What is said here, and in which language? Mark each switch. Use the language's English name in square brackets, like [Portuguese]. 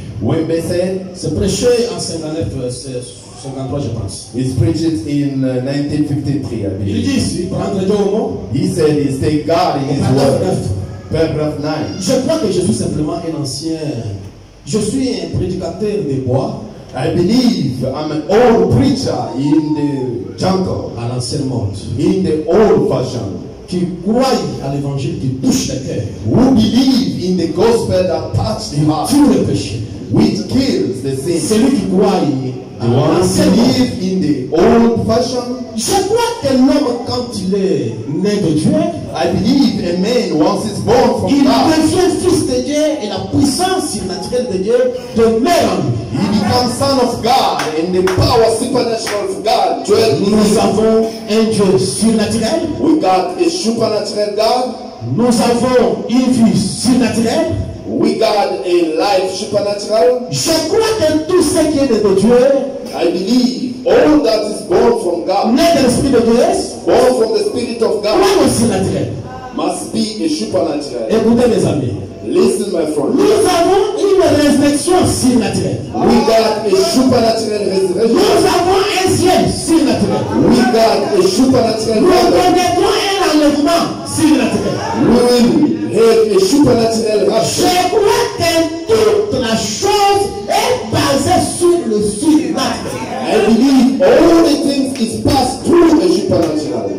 [English] When they said. [French] C'est prêché en 59. Je pense. [English] He's preached in 1953, I believe. He said, he's take God in his word. Paragraph 9. [French] Je crois que je suis simplement un ancien. Je suis un prédicateur des bois. [English] I believe I'm an old preacher in the jungle. [French] À l'ancien monde. [English] In the old fashion. [French] Qui croit à l'évangile qui touche le cœur. [English] Who believe in the gospel that touched the heart. [French] Tout le péché. [English] Which kills the sin. [French] Celui qui croit. [English] The one who believe in the old fashion. [French] Je crois que l'homme quand il est né de Dieu, [English] I believe a man once is born from [French] il [English] God. [French] Il devient fils de Dieu et la puissance surnaturelle de Dieu demeure en lui. [English] He becomes son of God and the power supernatural of God dwells in him. [French] Nous avons un Dieu surnaturel. [English] We got a supernatural God. [French] Nous avons une vie surnaturelle. [English] We got a life supernatural. [French] Je crois que tout ce qui est de Dieu, [English] I believe all that is born from God, [French] né de l'Esprit de Dieu, [English] born from the Spirit of God, [French] est surnaturel. [English] Must be a supernatural. [French] Écoutez mes amis. [English] Listen, my friend. [French] Nous avons une résurrection surnaturelle. [English] We got a supernatural resurrection. [French] Nous avons un ciel surnaturel. [English] We got a supernatural. [French] Nous connaîtrons un enlèvement surnaturel. [English] Et supernaturel. [French] Je crois que toute la chose est basée sur le surnaturel. [English] I believe all the things is passed through the supernatural.